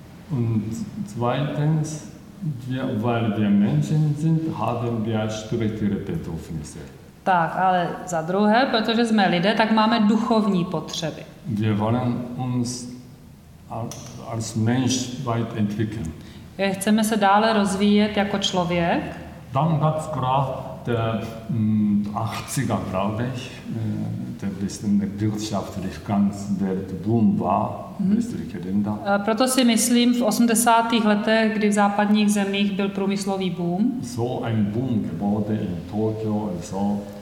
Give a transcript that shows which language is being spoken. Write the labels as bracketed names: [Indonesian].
[German] Und zweitens, weil wir Menschen sind, haben wir spirituelle Bedürfnisse. [Czech] Tak, ale za druhé, protože jsme lidé, tak máme duchovní potřeby. [German] Wir wollen uns als Mensch weit entwickeln. [Czech] Chceme se dále rozvíjet jako člověk. [German] Dann gab's gerade der 80er, glaube ich, der bestimmte wirtschaftlich ganz Weltboom war, westliche Länder. [Czech] Proto si myslím, v 80. letech, kdy v západních zemích byl průmyslový boom. [German] So ein Boom geworden in Tokio und so.